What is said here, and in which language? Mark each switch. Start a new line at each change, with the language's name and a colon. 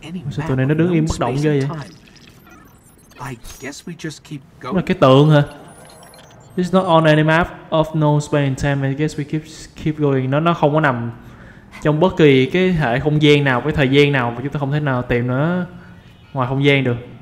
Vietnamese: Sao tụi này nó đứng im bất động ghê vậy? Đúng là cái tượng hả?
English: It's not on any map of no space and time. I guess we keep going.
Vietnamese: Nó không có nằm trong bất kỳ cái hệ không gian nào, cái thời gian nào mà chúng ta không thể nào tìm nó ngoài không gian được.